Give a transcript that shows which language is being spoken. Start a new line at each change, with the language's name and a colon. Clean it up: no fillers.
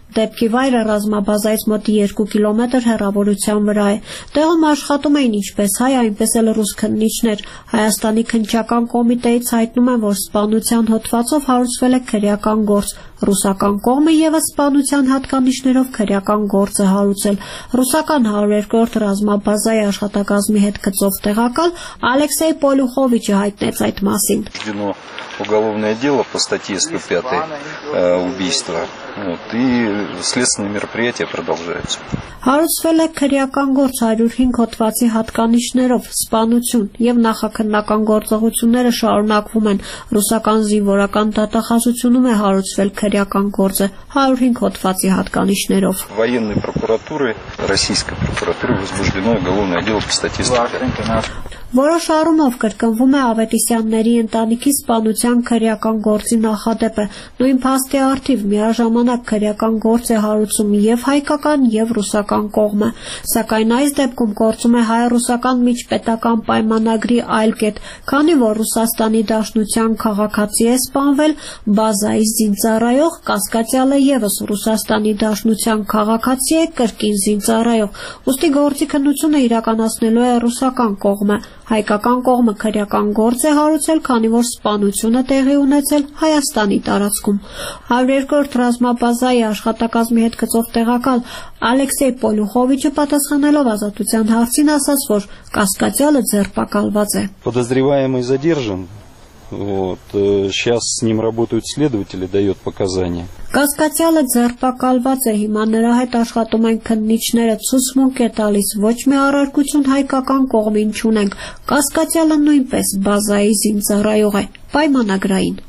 Armenian: Դեպքի վայրը ռազմաբազայից մոտ 2 կիլոմետր հեռավորության վրա է։ Տեղում աշխատում էին ինչպես հայ, այնպես էլ ռուս քննիչներ։ Հայաստանի քննչական կոմիտեից հայտնում են, որ սպանության հոդվածով հարուցվել է քրեական գործ։ Ռուսական կողմը ևս սպանության հատկանիշներով քրեական գործ է հարուցել։ Ռուսական 102-րդ ռազմաբազայի աշխատակազմի հետ գծով տեղակալ Ալեքսեյ Պոլուխովիչը հայտնեց այդ մասին։
Russian: Уголовное дело по статье 105 убийство. Вот, и следственные мероприятия продолжаются.
Armenian: Հարուցվել է քրեական գործ 105 հոդվածի հատկանիշներով, սպանություն եւ նախաքննական գործողությունները շարունակվում են։ Ռուսական զինվորական դատախազությունում է հարուցվել քրեական գործը 105 հոդվածի հատկանիշներով։
Russian: Военной прокуратуры, Российской прокуратуры возбуждено уголовное дело по статье 105.
Armenian: Որոշ առումով կրկնվում է Ավետիսյանների ընտանիքի սպանության քրեական գործի նախադեպը, նույն փաստի արդիվ միաժամանակ քրեական գործ է հարուցում եւ հայկական եւ ռուսական կողմը, սակայն այս դեպքում գործում է հայ-ռուսական միջպետական պայմանագրի այլ կետ, քանի որ Ռուսաստանի Դաշնության քաղաքացի է սպանվել, բազայի զինծառայող Կասկածյալը ևս Ռուսաստանի Դաշնության քաղաքացի է կրկին զինծառայող, ուստի գործի քննությունը իրականացնելու է ռուսական կողմը, հայկական կողմը քրեական գործ է հարուցել, քանի որ սպանությունը տեղի ունեցել Հայաստանի տարածքում։ 102-րդ ռազմաբազայի աշխատակազմի հետ գծով տեղակալ Ալեքսեյ Պոլուխովիչը պատասխանելով ազատության հարցին ասաց, որ Կասկածյալը ձերբակալված է։
Russian: Подозреваемый задержан. Вот, сейчас с ним работают следователи, дает показания.
Armenian: Կասկածյալը ձերբակալված է, հիմա նրա հետ աշխատում են քննիչները, ցուցմունք է տալիս, ոչ մի առարկություն հայկական կողմին չունենք։ Կասկածյալը նույնպես բազայի զինծառայող է, պայմանագրային։